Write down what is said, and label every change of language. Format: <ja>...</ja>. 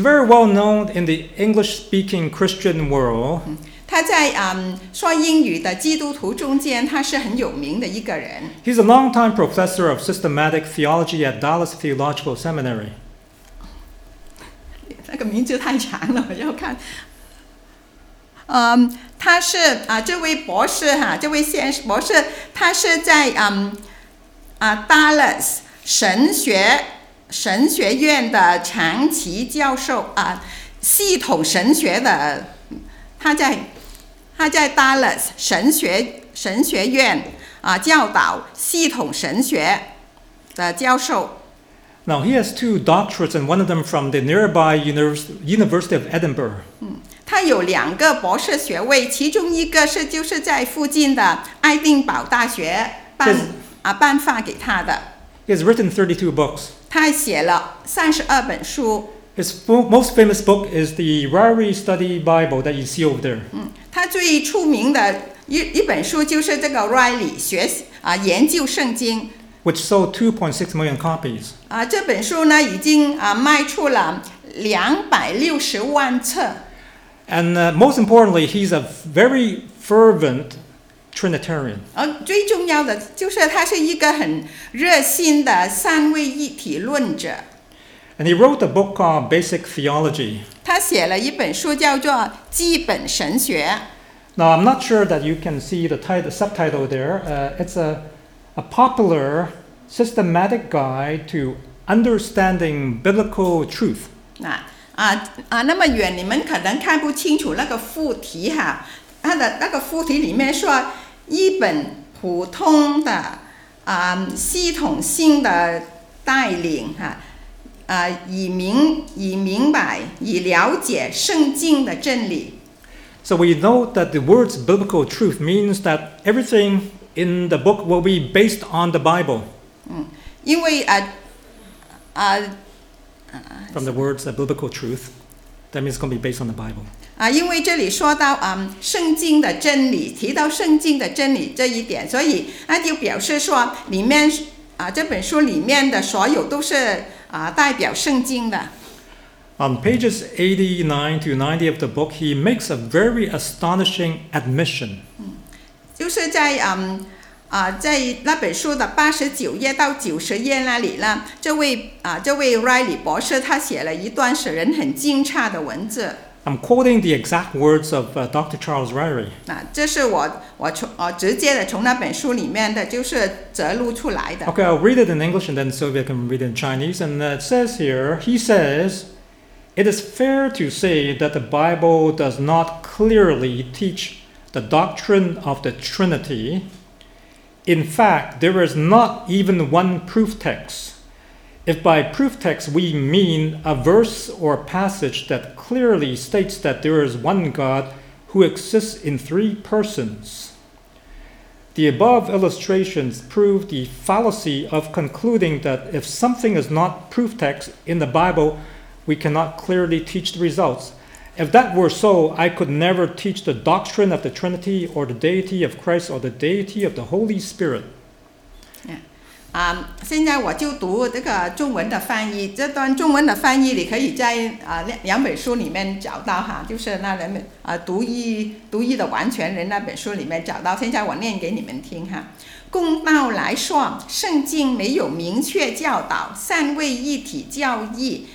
<en>very well known in the English-speaking Christian world.</en> <zh>他在说英语的基督徒中间，他是很有名的一个人。</zh> <en>He's a long-time professor of systematic theology at Dallas Theological Seminary.</en> <zh>那个名字太长了，我要看。他是这位博士哈，这位先生博士，他是在Dallas 神学院的长期教授啊，系统神学的，他在 Dallas 神学院啊教导系统神学的教授。</zh> <en>Now he has two doctorates, and one of them from the nearby University of Edinburgh.</en> <zh>他有两个博士学位，其中一个是就是在附近的爱丁堡大学颁发给他的。</zh> <en>He has written 32 books.</en> <zh>他写了32本书。</zh> <en>His most famous book is the Ryrie Study Bible that you see over there.</en> <zh>他最出名的一本书就是这个 Ryrie 学研究圣经。</zh> <en>Which sold 2.6 million copies.</en> <zh>这本书呢已经卖出了260万册。</zh> <en>And most importantly, he's a very fervent Trinitarian.</en> <zh>最重要的就是他是一个很热心的三位一体论者。</zh> <en>And he wrote a book called Basic Theology.</en> <zh>他写了一本书叫做《基本神学》。</zh> <en>Now, I'm not sure that you can see the subtitle there. It's a popular systematic guide to understanding biblical truth.</en> <zh>那么远你们可能看不清楚那个副题哈，它的那个副题里面说一本普通的系统性的带领哈，以明白以了解圣经的真理。</zh> <en>So we know that the words biblical truth means that everything in the book will be based on the Bible.</en> <zh>因为</zh> <en>From the words of biblical truth, that means it's going to be based on the Bible.</en> <zh>因为这里说到圣经的真理，提到圣经的真理这一点，所以那就表示说里面这本书里面的所有都是代表圣经的。</zh> <en>On pages 89 to 90 of the book, he makes a very astonishing admission.</en> <zh>就是在在那本书的89页到90页那里呢，这位 Riley 博士他写了一段使人很惊诧的文字。</zh> <en>I'm quoting the exact words of Dr. Charles Ryrie.</en> <zh>这是我直接的从那本书里面的就是摘录出来的。</zh> <en>Okay, I'll read it in English and then Sylvia can read it in Chinese. And it says here, he says, it is fair to say that the Bible does not clearly teach the doctrine of the Trinity. In fact, there is not even one proof text. If by proof text we mean a verse or passage that clearly states that there is one God who exists in three persons. The above illustrations prove the fallacy of concluding that if something is not proof text in the Bible, we cannot clearly teach the results. If that were so, I could never teach the doctrine of the Trinity or the deity of Christ or the deity of the Holy Spirit. Yeah.</en> <zh>现在我就读这个中文的翻译，这段中文的翻译你可以在两本书里面找到哈，就是那两本读一的完全人那本书里面找到，现在我念给你们听哈。公道来说，圣经没有明确教导三位一体教义。</zh>